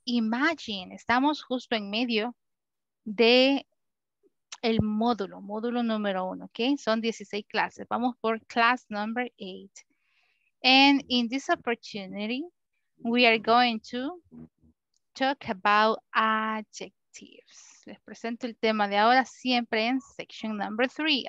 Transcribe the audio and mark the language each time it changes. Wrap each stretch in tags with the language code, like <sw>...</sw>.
<es>Imagine, estamos justo en medio de el módulo, módulo número uno, okay? Son 16 clases. Vamos por</es> <en>class number eight. And in this opportunity, we are going to talk about adjectives.</en> <es>Les presento el tema de ahora siempre en</es> <en>section number three.</en>